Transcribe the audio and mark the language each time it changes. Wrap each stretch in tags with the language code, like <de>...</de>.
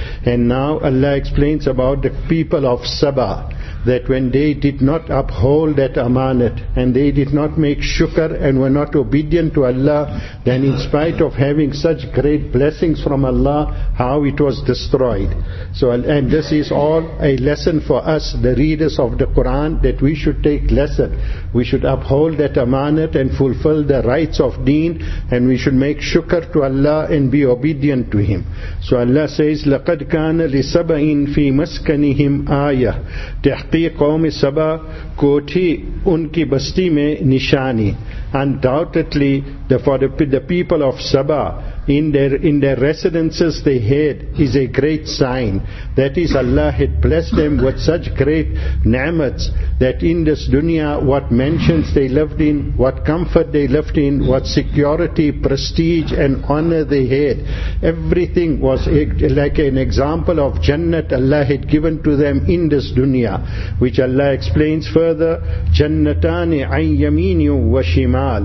<en>And now Allah explains about the people of Sabah, that when they did not uphold that amanat and they did not make shukr and were not obedient to Allah, then in spite of having such great blessings from Allah, how it was destroyed. So, and this is all a lesson for us, the readers of the Quran, that we should take lesson. We should uphold that amanat and fulfill the rights of deen, and we should make shukr to Allah and be obedient to Him. So Allah says,</en> <ar>لَقَدْ كَانَ لِسَبَئٍ فِي مَسْكَنِهِمْ آيَةٍ</ar> <ur>قوم سبا کو تھی ان کی بستی میں نشانی.</ur> <en>Undoubtedly, for the people of Sabah, in their residences they had, is a great sign. That is, Allah had blessed them with such great ni'mats, that in this dunya, what mansions they lived in, what comfort they lived in, what security, prestige and honor they had, everything was like an example of Jannat Allah had given to them in this dunya, which Allah explains further,</en> <ar>Jannatani ayn yaminu wa shimal.</ar>